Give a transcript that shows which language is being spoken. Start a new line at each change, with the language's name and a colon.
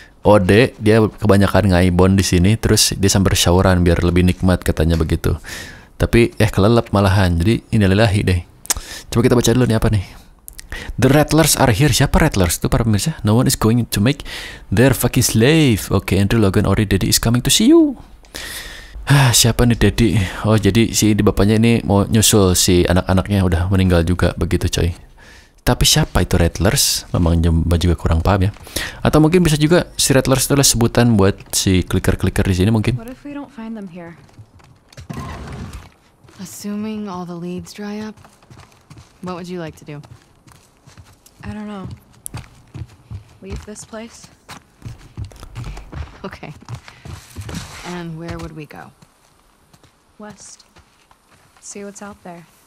Indonesian: Ode, dia kebanyakan ngaibon di sini, terus dia sambil syauran biar lebih nikmat, katanya begitu. Tapi, kelelep malahan. Jadi, inilah deh. Coba kita baca dulu nih apa nih.
English: The Rattlers are here.
Indonesian: Siapa Rattlers itu para pemirsa?
English: No one is going to make their fucking slave. Okay, Andrew Logan Ori, Daddy is coming to see you.
Indonesian: Siapa nih Daddy? Oh, jadi si di bapaknya ini mau nyusul si anak-anaknya udah meninggal juga begitu coy. Tapi siapa itu Rattlers? Memang Jumba juga kurang paham ya. Atau mungkin bisa juga si Rattlers itu adalah sebutan buat si clicker-clicker di sini mungkin.
English: What if we don't find them here? Assuming all the leads dry up, what would you like to do? I don't know. Leave this place? Okay. And where would we go? West. See what's out there.